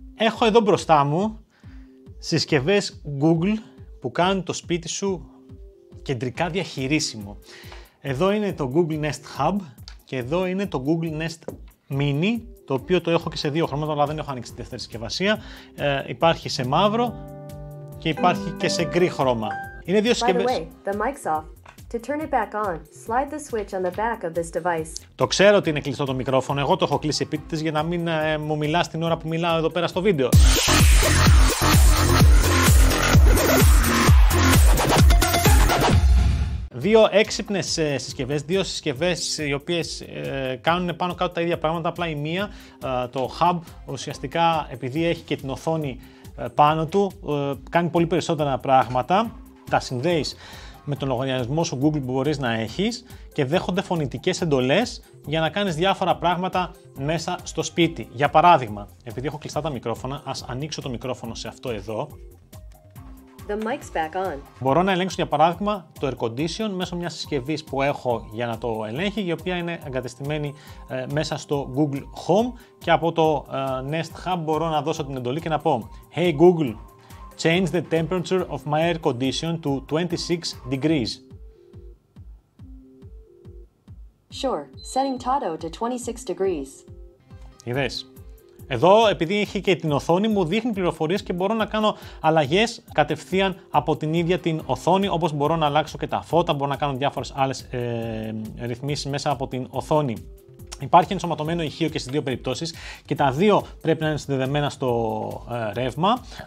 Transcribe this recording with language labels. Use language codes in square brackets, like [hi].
[el] Έχω εδώ μπροστά μου συσκευές Google που κάνουν το σπίτι σου κεντρικά διαχειρίσιμο. Εδώ είναι το Google Nest Hub και εδώ είναι το Google Nest Mini, το οποίο το έχω και σε δύο χρώματα, αλλά δεν έχω ανοίξει τη δεύτερη συσκευασία. Υπάρχει σε μαύρο και υπάρχει και σε γκρι χρώμα. Είναι δύο συσκευές. [en] By the way, the mic's off. To turn it back on, slide the switch on the back of this device. [el] Το ξέρω ότι είναι κλειστό το μικρόφωνο, εγώ το έχω κλείσει επίτηδες για να μην μου μιλάς την ώρα που μιλάω εδώ πέρα στο βίντεο. Δύο έξυπνες συσκευές, δύο συσκευές οι οποίες κάνουν πάνω κάτω τα ίδια πράγματα, απλά η μία, το Hub, ουσιαστικά επειδή έχει και την οθόνη πάνω του, κάνει πολύ περισσότερα πράγματα, τα συνδέεις με τον λογαριασμό σου Google που μπορείς να έχεις και δέχονται φωνητικές εντολές για να κάνεις διάφορα πράγματα μέσα στο σπίτι. Για παράδειγμα, επειδή έχω κλειστά τα μικρόφωνα, ας ανοίξω το μικρόφωνο σε αυτό εδώ. [en] The mic's back on. [el] Μπορώ να ελέγξω για παράδειγμα το air condition μέσω μιας συσκευής που έχω για να το ελέγχει, η οποία είναι εγκατεστημένη μέσα στο Google Home, και από το Nest Hub μπορώ να δώσω την εντολή και να πω [en] «Hey Google, change the temperature of my air condition to 26 degrees». Sure, setting Tado to 26 degrees. [el] Είδες. Εδώ, επειδή έχει και την οθόνη, μου δείχνει πληροφορίες και μπορώ να κάνω αλλαγές κατευθείαν από την ίδια την οθόνη, όπως μπορώ να αλλάξω και τα φώτα, μπορώ να κάνω διάφορες άλλες ρυθμίσεις μέσα από την οθόνη. Υπάρχει ενσωματωμένο ηχείο και στις δύο περιπτώσεις και τα δύο πρέπει να είναι συνδεδεμένα στο ρεύμα.